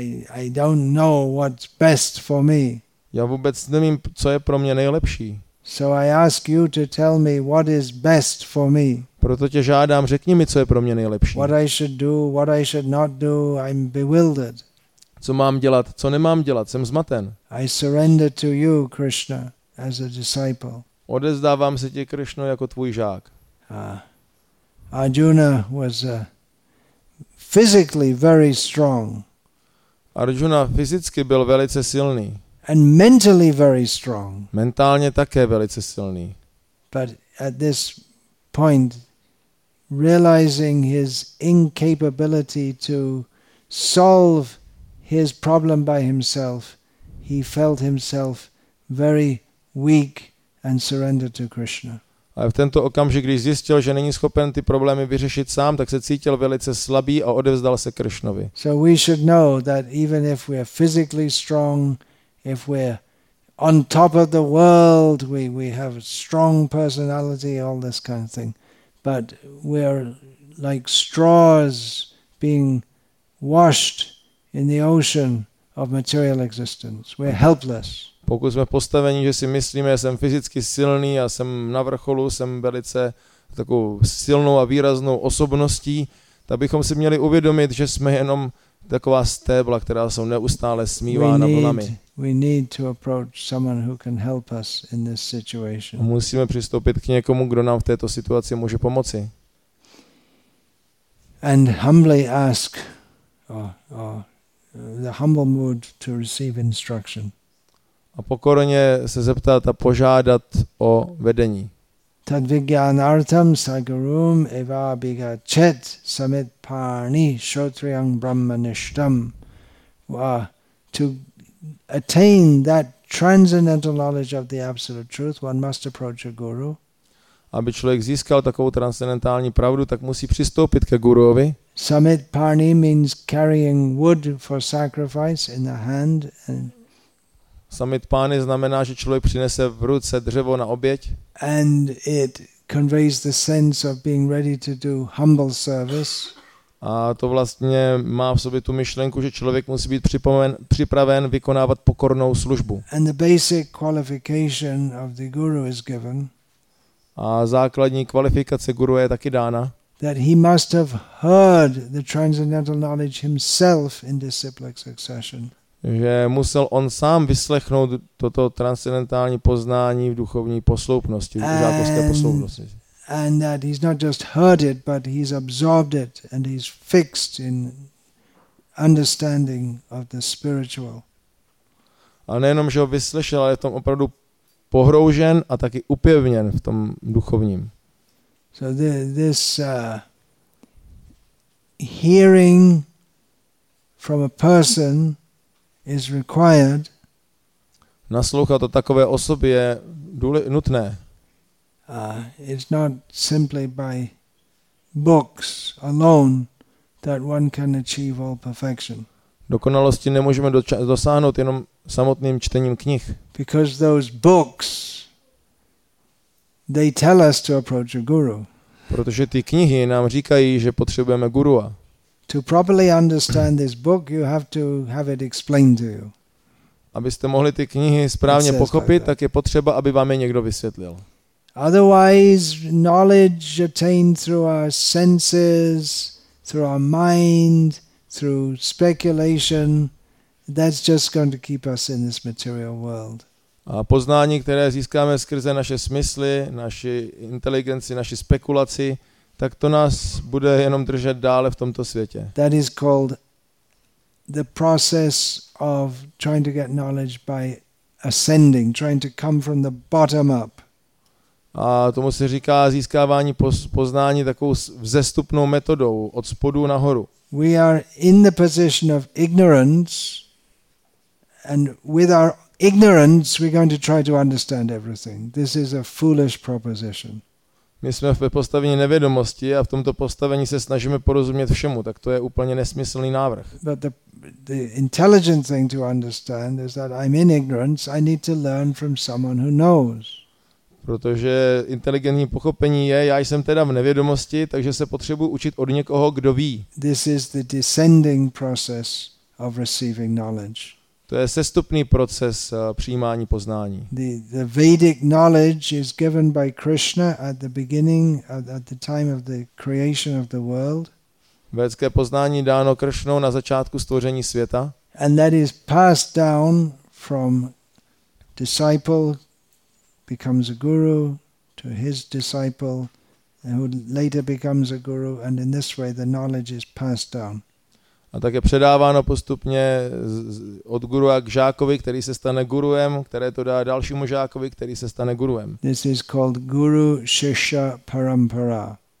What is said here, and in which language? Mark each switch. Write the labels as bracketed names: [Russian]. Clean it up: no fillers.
[English] I don't know what's best for me. [Czech] Já vůbec nevím, co je pro mě nejlepší. [English] So I ask you to tell me what is best for me. [Czech] Proto tě žádám, řekni mi, co je pro mě nejlepší. [English] What I should do, what I should not do, I'm bewildered. [Czech] Co mám dělat, co nemám dělat, jsem zmaten. [English] I surrender to you, Krishna, as a disciple. [Czech] Odezdávám se ti, Krishno, jako tvůj žák. [English] Arjuna was physically very strong. [Czech] Arjuna fyzicky byl velice silný. [English] And mentally very strong. [Czech] Mentálně také velice silný. [English] But at this point, realizing his incapability to solve his problem by himself, he felt himself very weak and surrendered to Krishna. [Czech] A v tento okamžik, když zjistil, že není schopen ty problémy vyřešit sám, tak se cítil velice slabý a odevzdal se Krishnovi. [English] So we should know that even if we are physically strong, if we're on top of the world, we have a strong personality, all this kind of thing, but we're like straws being washed in the ocean of material existence. We're helpless. [Czech] Pokud jsme postaveni, že si myslíme, že jsem fyzicky silný a jsem na vrcholu, jsem velice takovou silnou a výraznou osobností, tak bychom si měli uvědomit, že jsme jenom taková stébla, která jsou neustále smívána vlnami. [English] We need to approach someone who can help us in this situation. [Czech] Musíme přistoupit k někomu, kdo nám v této situaci může pomoci. [English] And humbly ask the humble mood to receive instruction. [Czech] A pokorně se zeptat a požádat o vedení. [Sanskrit] Tadvigyanartam sagurum eva biga chet samit parni shotriyang brahmanishtam. [English] To attain that transcendental knowledge of the absolute truth, one must approach a guru. [Czech] aby člověk získal takovou transcendentální pravdu, tak musí přistoupit ke guruovi. [English] Samitparni means carrying wood for sacrifice in the hand. [Czech] Samitparni znamená, že člověk přinese v ruce dřevo na oběť. [English] And it conveys the sense of being ready to do humble service. [Czech] A to vlastně má v sobě tu myšlenku, že člověk musí být připraven vykonávat pokornou službu. [English] And the basic qualification of the guru is given. [Czech] A základní kvalifikace guru je taky dána. [English] That he must have heard the transcendental knowledge himself in disciplic succession. [Czech] Že musel on sám vyslechnout toto transcendentální poznání v duchovní posloupnosti, v žákovské posloupnosti. [English] And that he's not just heard it, but he's absorbed it and he's fixed in understanding of the spiritual. [Czech] A nejenom, že ho vyslyšel, ale je v tom opravdu pohroužen a taky upevněn v tom duchovním. [English] So this hearing from a person is required. [Czech] Naslouchat o takové osobě je nutné. [English] It's not simply by books alone that one can achieve all perfection. [Czech] Dokonalosti nemůžeme dosáhnout jenom samotným čtením knih. [English] Because those books, they tell us to approach a guru. [Czech] Protože ty knihy nám říkají, že potřebujeme gurua. [English] To properly understand this book, you have to have it explained to you. [Czech] Abyste mohli ty knihy správně pochopit, tak je potřeba, aby vám je někdo vysvětlil. [English] Otherwise, knowledge attained through our senses, through our mind, through speculation, that's just going to keep us in this material world. [Czech] A poznání, které získáme skrze naše smysly, naši inteligenci, naši spekulaci, tak to nás bude jenom držet dále v tomto světě. [English] That is called the process of trying to get knowledge by ascending, trying to come from the bottom up. [Czech] A tomu se říká získávání poznání takovou vzestupnou metodou od spodu nahoru. [English] We are in the position of ignorance and with our ignorance we're going to try to understand everything. This is a foolish proposition. [Czech] My jsme v postavení nevědomosti a v tomto postavení se snažíme porozumět všemu, tak to je úplně nesmyslný návrh. [English] But the intelligent thing to understand is that I'm in ignorance, I need to learn from someone who knows. [Czech] Protože inteligentní pochopení je, já jsem teda v nevědomosti, takže se potřebuji učit od někoho, kdo ví. [English] This is the descending process of receiving knowledge. [Czech] To je sestupný proces přijímání poznání. [English] The Vedic knowledge is given by Krishna at the beginning, at the time of the creation of the world. [Czech] Vedské poznání dáno Krishnou na začátku stvoření světa. [English] And that is passed down from disciple becomes a guru to his disciple and who later becomes a guru and in this way the knowledge is passed down. [Czech] A tak je předáváno postupně od gurua k žákovi, který se stane guruem, které to dá dalšímu žákovi, který se stane guruem. [English] This is called guru shishya parampara.